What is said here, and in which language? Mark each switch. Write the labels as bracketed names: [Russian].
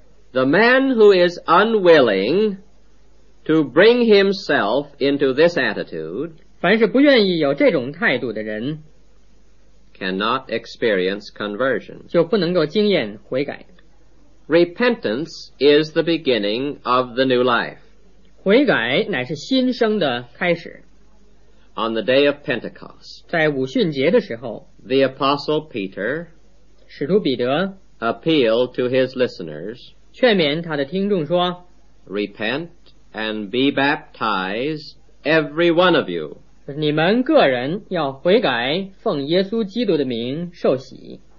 [English] The man who is unwilling to bring himself into this attitude, [Chinese] 凡是不愿意有这种态度的人, [English] cannot experience conversion. [Chinese] 就不能够经验悔改。 [English] Repentance is the beginning of the new life. [Chinese] 悔改乃是新生的开始。 [English] On the day of Pentecost, [Chinese] 在五旬节的时候, [English] the apostle Peter [Chinese] 使徒彼得 [English] appeal to his listeners, [Chinese] 劝勉他的听众说 [English] Repent and be baptized every one of you, [Chinese] 你们个人要悔改奉耶稣基督的名受洗